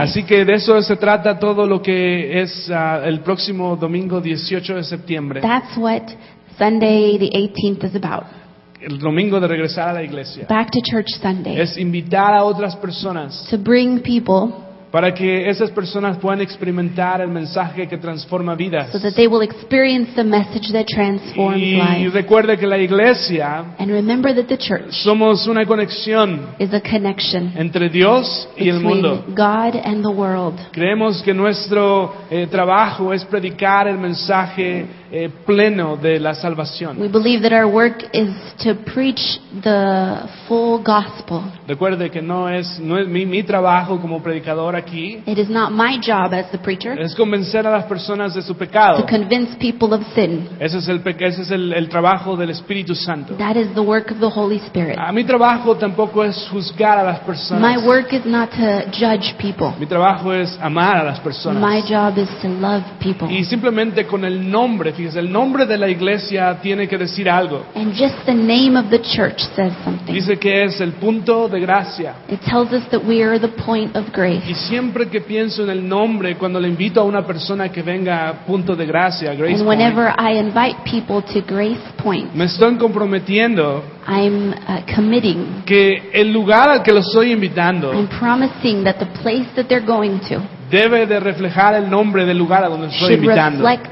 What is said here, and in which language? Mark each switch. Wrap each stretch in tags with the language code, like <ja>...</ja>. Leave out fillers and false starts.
<es>Así que de eso se trata todo lo que es el próximo domingo 18 de septiembre.</es> <en>That's what Sunday the 18th is about.</en> <es>El domingo de regresar a la iglesia.</es> <en>Back to church Sunday.</en> <es>Es invitar a otras personas.</es> <en>To bring people.</en> <es>Para que esas personas puedan experimentar el mensaje que transforma vidas.</es> <en>So that they will experience the message that transforms lives.</en> <es>Y recuerde que la iglesia.</es> <en>And remember that the church.</en> <es>Somos una conexión.</es> <en>Is a connection.</en> <es>Entre Dios y el mundo.</es> <en>Between God and the world.</en> <es>Creemos que nuestro trabajo es predicar el mensaje pleno de la salvación.</es> <en>We believe that our work is to preach the full gospel.</en> <es>Recuerde que no es mi trabajo como predicador. aquí.</es> <en>It is not my job as the preacher.</en> <es>Es convencer a las personas de su pecado.</es> <en>To convince people of sin.</en> <es>Ese es el trabajo del Espíritu Santo.</es> <en>That is the work of the Holy Spirit.</en> <es>A mi trabajo tampoco es juzgar a las personas.</es> <en>My work is not to judge people.</en> <es>Mi trabajo es amar a las personas.</es> <en>My job is to love people.</en> <es>Y simplemente con el nombre, fíjese, el nombre de la iglesia tiene que decir algo.</es> <en>And just the name of the church says something.</en> <es>Dice que es el punto de gracia.</es> <en>It tells us that we are the point of grace.</en> <es>Y siempre que pienso en el nombre, cuando le invito a una persona que venga a punto de gracia, Grace Point.</es> <en>And whenever I invite people to Grace Point,</en> <es>me estoy comprometiendo.</es> <en>I'm committing.</en> <es>Que el lugar al que lo estoy invitando.</es> <en>I'm promising that the place that they're going to.</en> <es>Debe de reflejar el nombre del lugar a donde estoy invitando.</es>